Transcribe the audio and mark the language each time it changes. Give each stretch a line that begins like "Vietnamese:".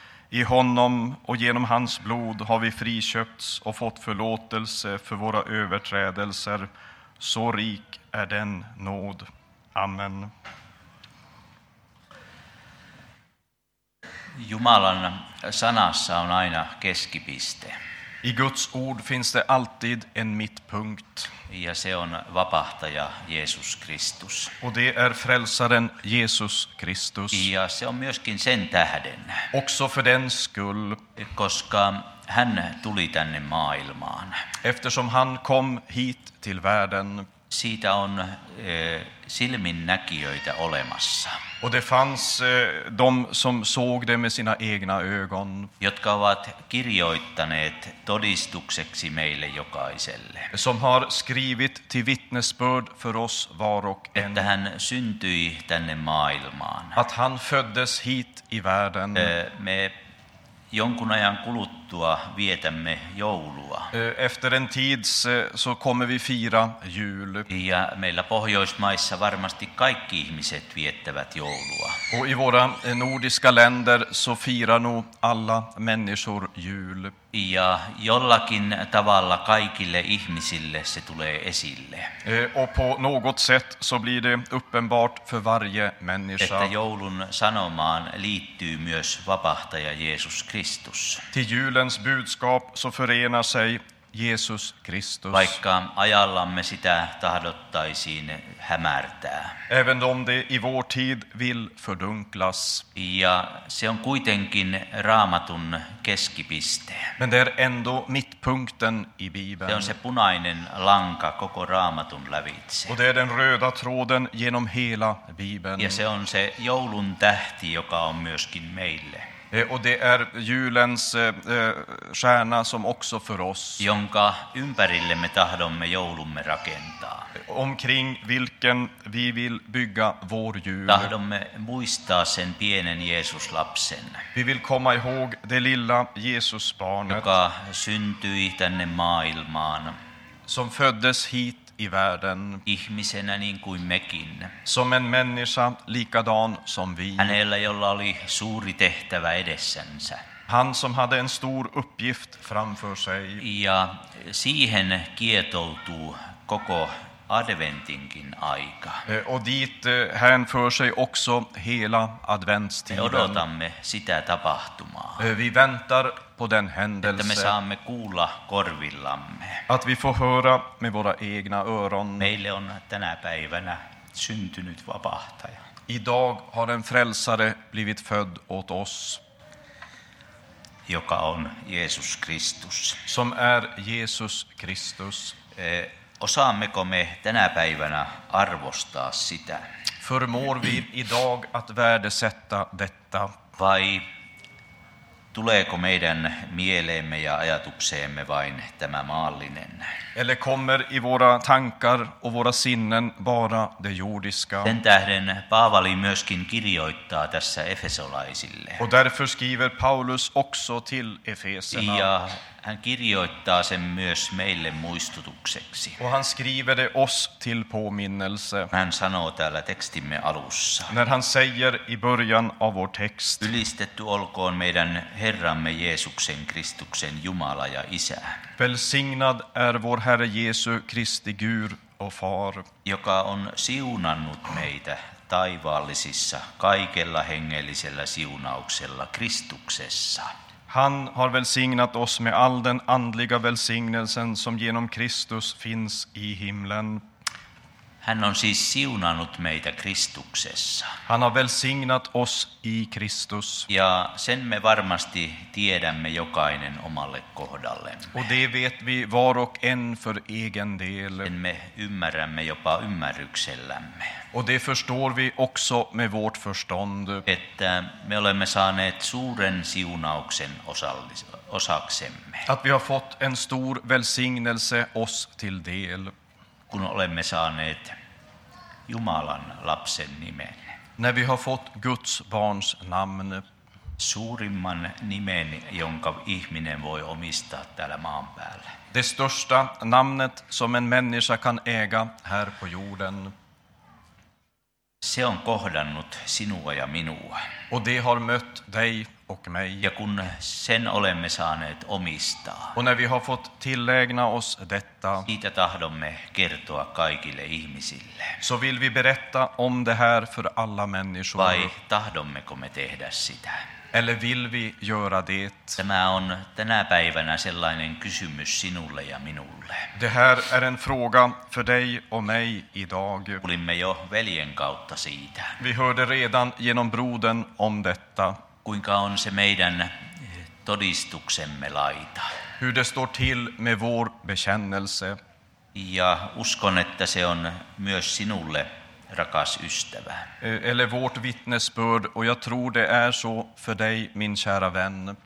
Swedish: I honom och genom hans blod har vi friköpts och fått förlåtelse för våra överträdelser. Så rik är den nåd. Amen.
Finnish: Jumalan sanassa on aina keskipiste.
Swedish: I Guds ord finns det alltid en mittpunkt.
Finnish: Ja se on vapahtaja Jesus Kristus.
Swedish: Och det är frälsaren Jesus Kristus.
Finnish: Ja se on myöskin sen tähden.
Swedish: Också för den skull.
Finnish: Koska hän tuli tänne maailmaan.
Swedish: Eftersom han kom hit till världen.
Finnish: Siitä on silminnäkijöitä olemassa.
Swedish: Och det fanns de som såg det med sina egna ögon.
Finnish: Jotka ovat kirjoittaneet todistukseksi meille jokaiselle.
Swedish: Som har skrivit till vittnesbörd för oss var och en.
Finnish: Että hän syntyi tänne maailmaan.
Swedish: Att han föddes hit i världen.
Finnish: Me jonkun ajan kuluttua vietämme joulua.
Swedish: Efter en tids så kommer vi fira jul.
Finnish: Ja meillä Pohjoismaissa varmasti kaikki ihmiset viettävät joulua.
Swedish: Och i våra nordiska länder så firar nog alla människor jul.
Finnish: Ja jollakin tavalla kaikille ihmisille se tulee esille.
Swedish: Och på något sätt så blir det uppenbart för varje människa.
Finnish: Että joulun sanomaan liittyy myös vapahtaja Jesus Kristus.
Swedish: Till julens budskap så förenar sig Jesus Kristus.
Finnish: Vaikka ajallamme sitä tahdottaisiin hämärtää.
Swedish: Även om det i vår tid vill fördunklas.
Finnish: Ja se on kuitenkin Raamatun keskipiste.
Swedish: Men det är ändå mittpunkten i Bibeln.
Finnish: Se on se punainen lanka koko Raamatun lävitse.
Swedish: Och det är den röda tråden genom hela Bibeln.
Finnish: Ja se on se joulun tähti, joka on myöskin meille.
Swedish: Och det är julens stjärna som också för oss.
Finnish: Jonka ympärille me tahdomme joulumme rakentaa.
Swedish: Omkring vilken vi vill bygga vår jul.
Finnish: Tahdomme muistaa sen pienen Jeesuslapsen.
Swedish: Vi vill komma ihåg det lilla Jeesusbarnet.
Finnish: Joka syntyi tänne maailmaan.
Swedish: Som föddes hit i världen.
Finnish: Ihmisenä niin kuin mekin.
Swedish: Som en människa likadan som vi.
Finnish: Hänellä, jolla oli suuri tehtävä edessänsä.
Swedish: Han som hade en stor uppgift framför sig.
Finnish: Ja siihen kietoutuu koko adventinkin aika.
Swedish: Och dit hänför sig också hela adventstiden.
Finnish: Me odotamme sitä tapahtumaa.
Swedish: Vi väntar på den händelse.
Finnish: Että me saamme kuulla korvillamme.
Swedish: Att vi får höra med våra egna öron.
Finnish: Meille on tänä päivänä syntynyt vapahtaja.
Swedish: Idag har en frälsare blivit född åt oss.
Finnish: Joka on Jesus Kristus.
Swedish: Som är Jesus Kristus.
Finnish: Osaammeko me tänä päivänä arvostaa sitä?
Swedish: Förmår vi idag att värdesätta detta?
Finnish: Vai tuleeko meidän mieleemme ja ajatukseemme vain tämä maallinen?
Swedish: Eller kommer i våra tankar och våra sinnen bara det jordiska?
Finnish: Sen tähden Paavali myöskin kirjoittaa tässä efesolaisille.
Swedish: Och därför skriver Paulus också till Efeserna.
Finnish: Ja Hän kirjoittaa sen myös meille muistutukseksi.
Swedish: Och han skriver det oss till påminnelse.
Finnish: Hän sanoo täällä tekstimme alussa.
Swedish: När han säger i början av vår text.
Finnish: Ylistetty olkoon meidän Herramme Jeesuksen Kristuksen Jumala ja Isä.
Swedish: Välsignad är vår Herre Jesu Kristi Gud och Far.
Finnish: Joka on siunannut meitä taivaallisissa kaikella hengellisellä siunauksella Kristuksessa.
Swedish: Han har välsignat oss med all den andliga välsignelsen som genom Kristus finns i himlen.
Finnish: Hän on siis siunannut meitä Kristuksessa.
Swedish: Han har välsignat oss i Kristus.
Finnish: Ja sen me varmasti tiedämme jokainen omalle kohdallemme.
Swedish: Och det vet vi var och en för egen del.
Finnish: Sen me ymmärrämme jopa ymmärryksellämme.
Swedish: Och det förstår vi också med vårt förstånd.
Finnish: Että me olemme saaneet suuren siunauksen osaksemme.
Swedish: Att vi har fått en stor välsignelse oss till del.
Finnish: Kun olemme saaneet Jumalan lapsen nimen.
Swedish: När vi har fått Guds barns namn.
Finnish: Suurimman nimen, jonka ihminen voi omistaa täällä maan päällä.
Swedish: Det största namnet som en människa kan äga här på jorden.
Finnish: Se on kohdannut sinua ja minua.
Swedish: Och det har mött dig och mig.
Finnish: Ja kun sen olemme saaneet omistaa.
Swedish: Och när vi har fått tillägna oss detta.
Finnish: Siitä tahdomme kertoa kaikille ihmisille.
Swedish: Så vill vi berätta om det här för alla människor.
Finnish: Vai tahdommeko me tehdä sitä?
Swedish: Eller vill vi göra det?
Finnish: Tämä on tänä päivänä sellainen kysymys sinulle ja minulle.
Swedish: Det här är en fråga för dig och mig idag.
Finnish: Kuulimme jo veljen kautta siitä.
Swedish: Vi hörde redan genom brodern om detta.
Finnish: Kuinka on se meidän todistuksemme laita?
Swedish: Hur det står till med vår bekännelse?
Finnish: Ja uskon, että se on myös sinulle. Rakas ystävä.
Swedish: Eller vårt vittnesbörd, och jag tror det är så för dig, min kära vän.